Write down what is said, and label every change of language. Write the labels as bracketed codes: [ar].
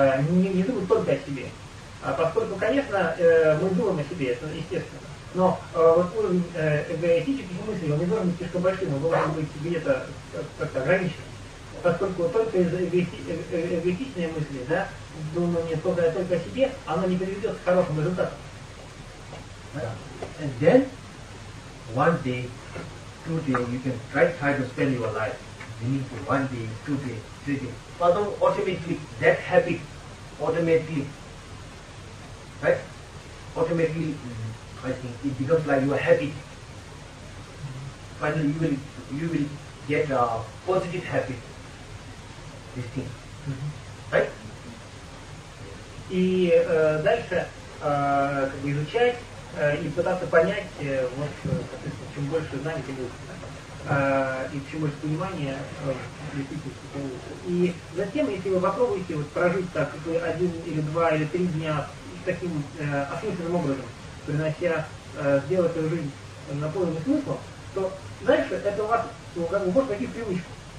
[ru] Не думай только о себе. Поскольку, конечно, мы думаем о себе, это естественно. Но вот уровень эгоистических мыслей, он не должен быть слишком большим, он должен быть где-то как-то ограничен. Поскольку только эгоистичные мысли, да, думание только о себе, оно не приведет к хорошим результатам. [en] And then, one day, two days, you can try to spend your life. You need to one day, two days, three days. But automatically, that habit, automatically, I think, it becomes like your habit. Finally, you will get a positive habit, this thing. Mm-hmm. Right? [ru] И дальше, как бы изучать, и пытаться понять, вот, соответственно, чем больше знаний, тем лучше. И чем больше понимания, действительно, тем лучше. И затем, если вы попробуете вот, прожить так, как бы один или два или три дня таким осмысленным образом, принося, сделать свою жизнь наполненным смыслом, то дальше это у вас, ну, как бы, может пойти в привычку.